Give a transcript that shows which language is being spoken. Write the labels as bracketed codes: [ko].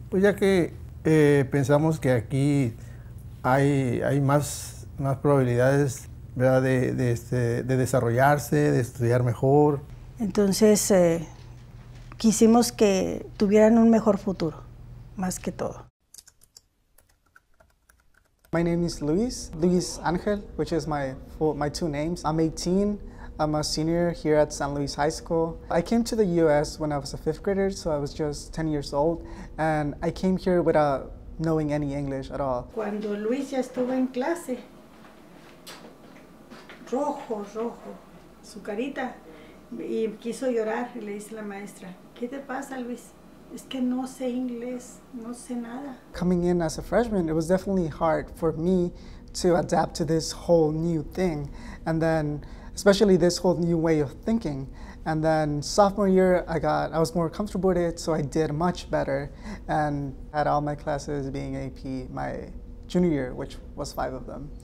[es] Pues ya que pensamos que aquí hay más probabilidades, ¿verdad?, de desarrollarse, de estudiar mejor. Entonces quisimos que tuvieran un mejor futuro, más que todo. [en] My name is Luis Angel, which is my two names. I'm 18. I'm a senior here at San Luis High School. I came to the U.S. when I was a fifth grader, so I was just 10 years old. And I came here with a knowing any English at all. [es] Cuando Luis ya estuvo en clase, rojo, rojo, su carita, y quiso llorar, le dice la maestra, ¿qué te pasa, Luis? Es que no sé inglés, no sé nada. [en] Coming in as a freshman, it was definitely hard for me to adapt to this whole new thing, and then especially this whole new way of thinking. And then sophomore year, I was more comfortable with it, so I did much better and had all my classes being AP my junior year, which was five of them.